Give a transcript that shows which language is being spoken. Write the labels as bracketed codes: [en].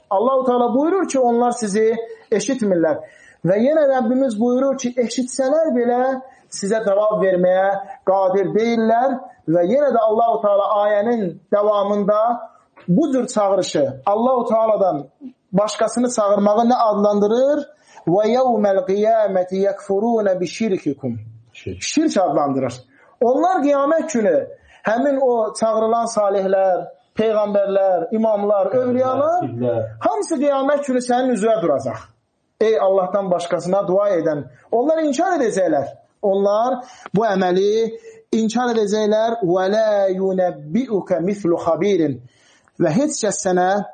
[az] Allah-u Teala buyurur ki, onlar sizi eşitmirlər. Və yenə Rəbbimiz buyurur ki, eşitsələr belə sizə cavab verməyə qadir deyirlər və yenə də Allah-u Teala ayənin devamında bu cür çağırışı Allah-u Teala'dan başqasını çağırmağı nə adlandırır? [ar] وَيَوْمَ الْقِيَامَةِ يَكْفُرُونَ بِشِرْكِكُمْ [az] Şirk adlandırır. Onlar qiyamət günü həmin o çağırılan salihlər, peyğəmbərlər, imamlar, övriyalar hamısı qiyamət günü sənin üzrə duracaq. Ey Allahdan başqasına dua edən, onlar inkar edəcəklər. Onlar bu əməli inkar edəcəklər. [ar] وَلَا يُنَبِّئُكَ مِثْلُ خَبِيرٍ [az] Və heç kəs sənə